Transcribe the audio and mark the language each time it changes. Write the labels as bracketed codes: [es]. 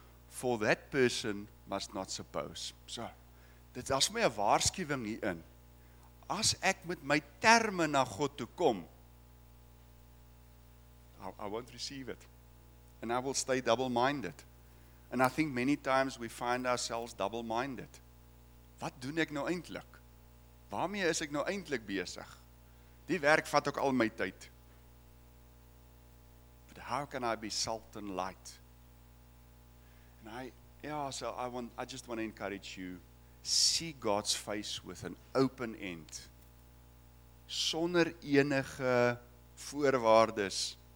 [en] For that person must not suppose. So, [af] dit is my waarskuwing hierin. As ek met my terme na God toe kom, [en] I won't receive it. And I will stay double-minded. And I think many times we find ourselves double-minded. [af] Wat doen ek nou eintlik? Waarmee is ek nou eintlik besig? Die werk vat ook al my tyd. [en] But how can I be salt and light? And I just want to encourage you, see God's face with an open end. [af] Sonder enige voorwaardes.